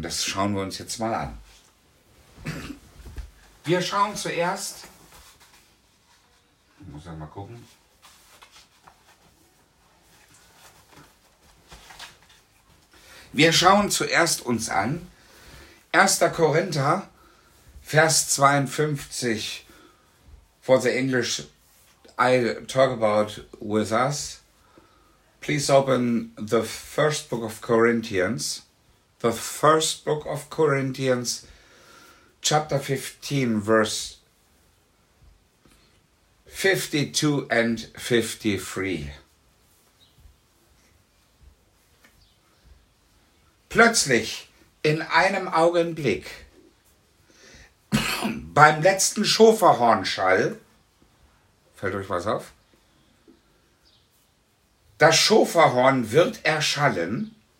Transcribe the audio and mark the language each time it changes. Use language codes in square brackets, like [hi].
[de] Das schauen wir uns jetzt mal an. Wir schauen zuerst. Ich muss ja mal gucken. Wir schauen zuerst uns an, 1. Korinther, Vers 52, [en] for the English, I talk about with us. Please open the first book of Corinthians, the first book of Corinthians, chapter 15, verse 52 and 53. [de] Plötzlich, in einem Augenblick, beim letzten Schofarhornschall, fällt euch was auf? Das Schofarhorn wird erschallen.